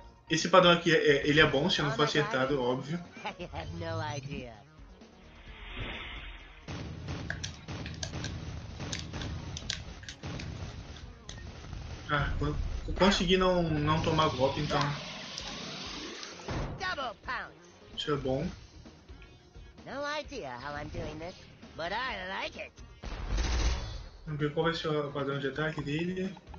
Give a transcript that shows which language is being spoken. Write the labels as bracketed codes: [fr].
[pt] Esse padrão aqui é, ele é bom se eu não for acertado, óbvio. [en] I have no idea. [pt] Ah, consegui não tomar golpe, então. [en] Double pounce. [pt] Isso é bom. [en] No idea how I'm doing this, but I like it. [pt] Vamos ver qual vai ser o padrão de ataque dele.